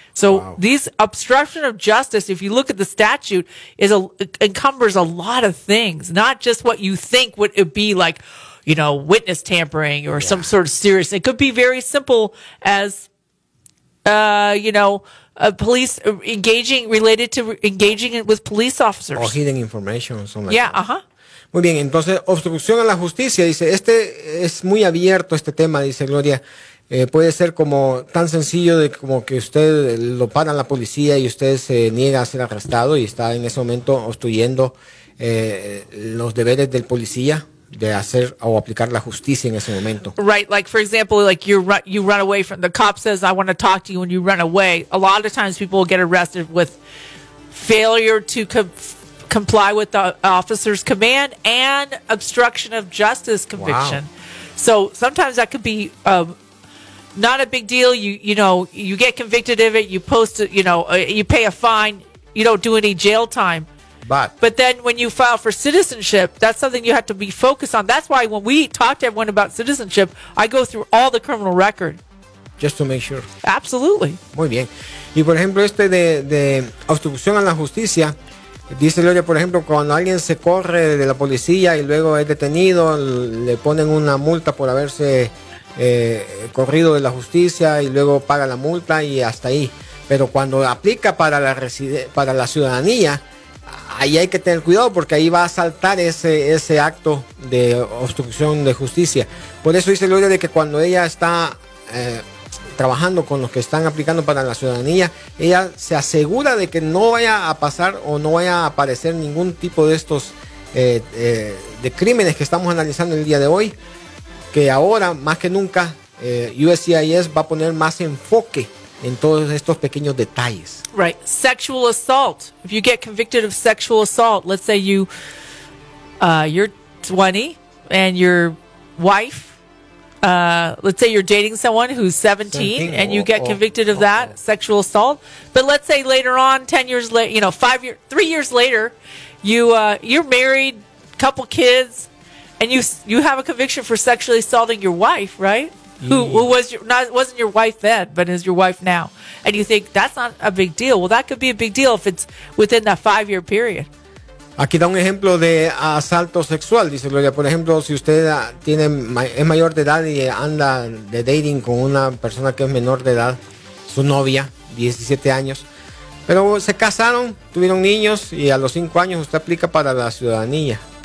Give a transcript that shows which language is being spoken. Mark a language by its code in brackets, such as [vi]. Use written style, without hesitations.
[en] So these obstruction of justice, if you look at the statute, encumbers a lot of things, not just what you think would it be like, you know, witness tampering or some sort of serious. It could be very simple as, you know, a police engaging related to engaging with police officers. Or hidden information or something. Yeah, uh-huh. [es] Muy bien, entonces, obstrucción a la justicia, dice, este es muy abierto este tema, dice Gloria. Puede ser como tan sencillo de como que usted lo para la policía y usted se niega a ser arrestado y está en ese momento obstruyendo los deberes del policía de hacer o aplicar la justicia en ese momento. [en] Right, like for example, like you run away from the cop says I want to talk to you and you run away. A lot of times people get arrested with failure to comply with the officer's command and obstruction of justice conviction. Wow. So sometimes that could be not a big deal. You know, you get convicted of it. You post, you know, you pay a fine. You don't do any jail time. But then when you file for citizenship, that's something you have to be focused on. That's why when we talk to everyone about citizenship, I go through all the criminal record. Just to make sure. Absolutely. [es] Muy bien. Y por ejemplo, este de obstrucción a la justicia, dice Loya, por ejemplo, cuando alguien se corre de la policía y luego es detenido, le ponen una multa por haberse corrido de la justicia y luego paga la multa y hasta ahí. Pero cuando aplica para la ciudadanía, ahí hay que tener cuidado porque ahí va a saltar ese acto de obstrucción de justicia. Por eso dice Loya de que cuando ella está trabajando con los que están aplicando para la ciudadanía, ella se asegura de que no vaya a pasar o no vaya a aparecer ningún tipo de estos de crímenes que estamos analizando el día de hoy, que ahora más que nunca USCIS va a poner más enfoque en todos estos pequeños detalles. [en] Right, sexual assault. If you get convicted of sexual assault, let's say you're 20 and your wife, let's say you're dating someone who's 17 and you get convicted of that sexual assault. But let's say later on, 10 years later, you know, 3 years later, you're married, couple kids, and you have a conviction for sexually assaulting your wife, right? Yeah. Who wasn't your wife then, but is your wife now. And you think that's not a big deal. Well, that could be a big deal if it's within that 5-year period. [es] Aquí da un ejemplo de asalto sexual, dice Gloria. Por ejemplo, si usted es mayor de edad y anda de dating con una persona que es menor de edad, su novia, 17 años, pero se casaron, tuvieron niños y a los 5 años usted aplica para la ciudadanía.